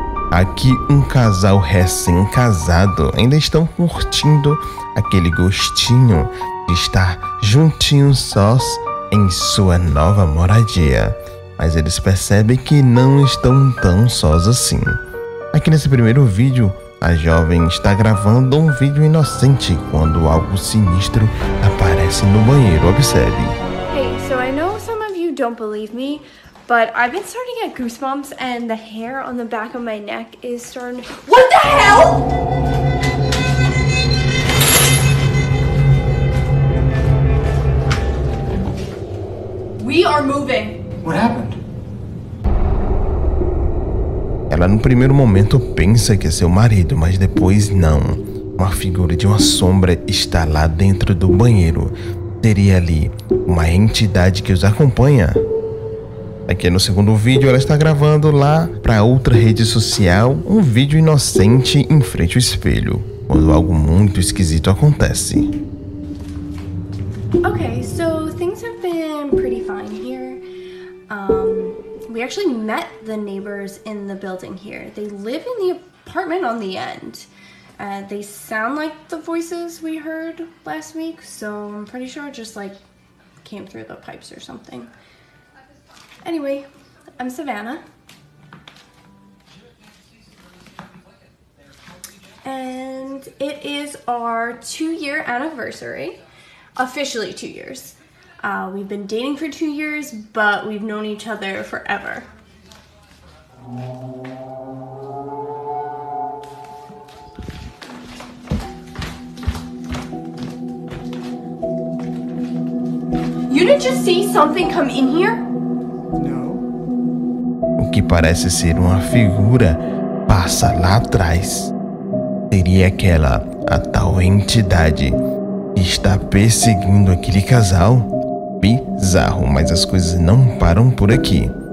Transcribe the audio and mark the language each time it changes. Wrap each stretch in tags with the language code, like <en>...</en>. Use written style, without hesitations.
<pt>Aqui um casal recém-casado ainda estão curtindo aquele gostinho de estar juntinhos sós em sua nova moradia. Mas eles percebem que não estão tão sós assim. Aqui nesse primeiro vídeo, a jovem está gravando um vídeo inocente quando algo sinistro aparece no banheiro. Observe.</pt> <en>Hey, so I know some of you don't believe me, but I've been starting to get goosebumps and the hair on the back of my neck is starting to... What the hell? We are moving. What happened?</en> <pt>Ela no primeiro momento pensa que é seu marido, mas depois não. Uma figura de uma sombra está lá dentro do banheiro. Seria ali uma entidade que os acompanha. Aqui no segundo vídeo, ela está gravando lá para outra rede social um vídeo inocente em frente ao espelho, quando algo muito esquisito acontece. Ok, então as coisas têm sido</pt> <en>pretty fine</en> <pt>aqui.</pt> <en>We actually met the neighbors in the building here. They live in the apartment on the end. They sound like the voices we heard last week, so I'm pretty sure it just like came through the pipes or something. Anyway, I'm Savannah. And it is our 2-year anniversary. Officially 2 years. We've been dating for 2 years, but we've known each other forever. You didn't just see something come in here? No.</en> <pt>O que parece ser uma figura passa lá atrás. Seria aquela a tal entidade que está perseguindo aquele casal? Bizarro, mas as coisas não param por aqui.</pt>